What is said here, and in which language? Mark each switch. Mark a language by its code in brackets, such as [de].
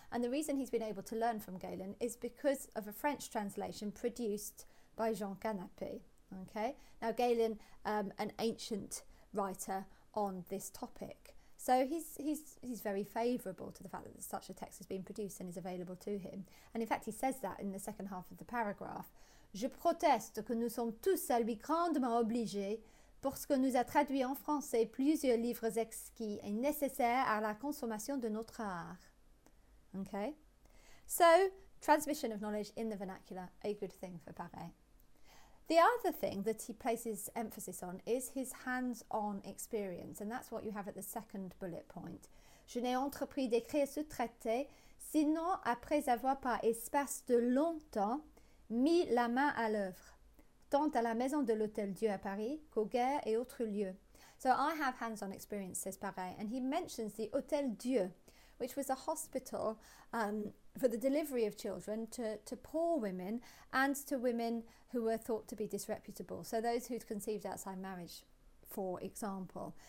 [en] And the reason he's been able to learn from Galen is because of a French translation produced by Jean Canapé. Okay. Now, Galen, an ancient writer on this topic. So he's very favourable to the fact that such a text has been produced and is available to him. And in fact, he says that in the second half of the paragraph. [fr] Je proteste que nous sommes tous à lui grandement obligés pour ce que nous a traduit en français plusieurs livres exquis et nécessaires à la consommation de notre art. [en] Okay? So, transmission of knowledge in the vernacular, a good thing for Barré. The other thing that he places emphasis on is his hands-on experience, and that's what you have at the second bullet point. [fr] Je n'ai entrepris d'écrire ce traité, sinon après avoir par espace de longtemps mis la main à l'œuvre, tant à la maison de l'Hôtel Dieu à Paris qu'au Guerre et autres lieux. [en] So I have hands-on experience, says Barré, and he mentions the Hôtel Dieu, which was a hospital for the delivery of children to poor women and to women who were thought to be disreputable. So those who'd conceived outside marriage, for example.